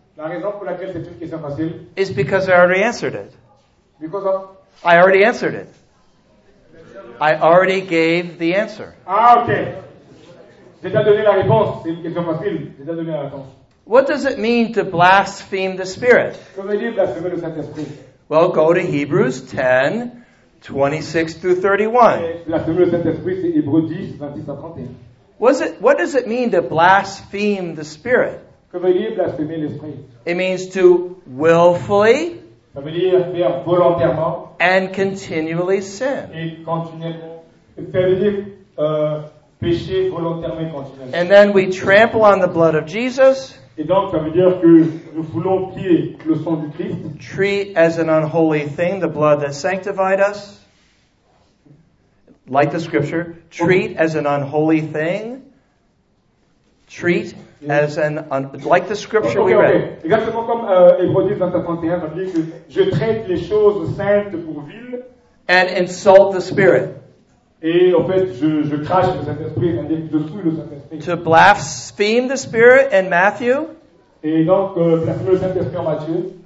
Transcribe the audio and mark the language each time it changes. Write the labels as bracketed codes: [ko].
[fr] la raison pour laquelle c'est une question facile, [en] is because I already answered it. Because of? I already answered it. I already gave the answer. Ah, okay. [fr] J'ai déjà donné la réponse, c'est une question facile. J'ai déjà donné la réponse. [en] What does it mean to blaspheme the Spirit? [fr] Que veut dire blasphémer le Saint-Esprit? [en] Well, go to Hebrews 10, 26 through 31. [fr] Blasphémer le Saint-Esprit, c'est Hébreux 10, 26 à 31. [en] What does it mean to blaspheme the Spirit? [fr] Que veut dire blasphémer l'Esprit? [en] It means to willfully, [fr] Ça veut dire faire volontairement [en] and continually sin. [fr] Et continuellement. Ça veut dire pécher volontairement et continuellement. [en] And then we trample on the blood of Jesus. [fr] Et donc, ça veut dire que nous voulons prier le sang du Christ. [en] Treat as an unholy thing the blood that sanctified us. Like the scripture, treat as an unholy thing. Treat as an like the scripture we read. [fr] Exactement comme Hébreux 10:21, ça dit que je traite les choses saintes pour vile. [en] And insult the Spirit. [fr] Et en fait, je crache le Saint-Esprit, je dessous le Saint-Esprit. [en] To blaspheme the Spirit in Matthew. [fr] Et donc blasphémer le Saint-Esprit en Matthieu.